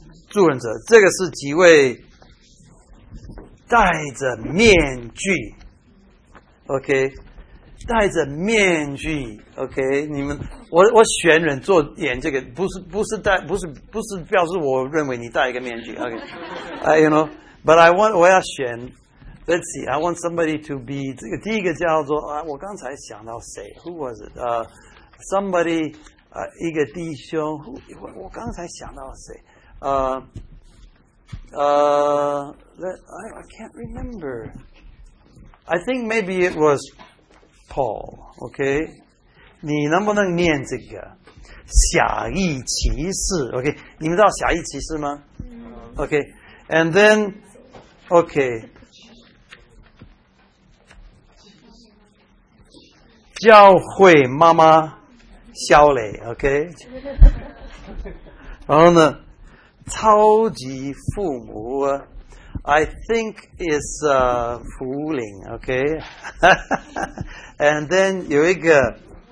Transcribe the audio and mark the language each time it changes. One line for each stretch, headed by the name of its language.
Chinese: 助人者，这个是几位戴着面具 OK 戴着面具 OK， 你们我选人做演这个，不是戴不是表示我认为你戴一个面具 ，OK， you know，
English: but I want
Chinese: 我要选 ，
English: Let's see， I want somebody to be
Chinese: 这个第一个叫做啊，我刚才想到谁 ？
English: Who was it？ Somebody
Chinese: 一个弟兄 ，Who 我刚才想到谁？
English: I can't remember， I think maybe it was Paul， OK。
Chinese: 你能不能念这个侠义骑士 ？OK， 你们知道侠义骑士吗 ？OK，and then OK， 教会妈妈肖磊 ，OK， 然后呢，超级父母 ，
English: I think is
Chinese: 福林 ，OK，and then 有一个。